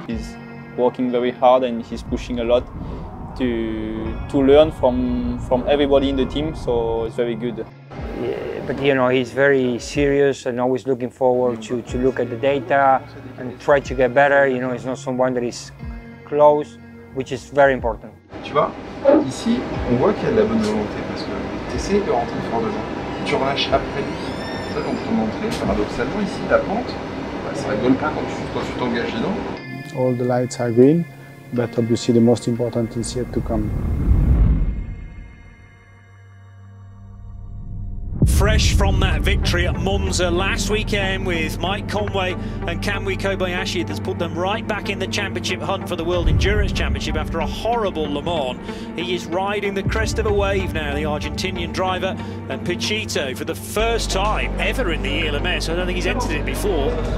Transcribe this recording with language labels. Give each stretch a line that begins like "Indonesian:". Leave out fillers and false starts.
English: He's working very hard and he's pushing a lot to learn from everybody in the team, so it's very good. Yeah, but you know, he's very serious and always looking forward to look at the data and try to get better. You know, he's not someone that is close, which is very important.
French: Tu vois, ici, on voit qu'il y a de la bonne volonté parce que tu essaies de rentrer fort devant. Tu relâches après lui. Ça, donc ton entrée, paradoxalement, ici, ta pente, bah, ça rigole pas quand tu t'engages dedans.
English: All the lights are green, but obviously the most important is yet to come. Fresh from that victory at Monza last weekend with Mike Conway and Kamui Kobayashi, that's put them right back in the championship hunt for the World Endurance Championship after a horrible Le Mans. He is riding the crest of a wave now, the Argentinian driver, and Pichito for the first time ever in the ILMS. I don't think he's entered it before.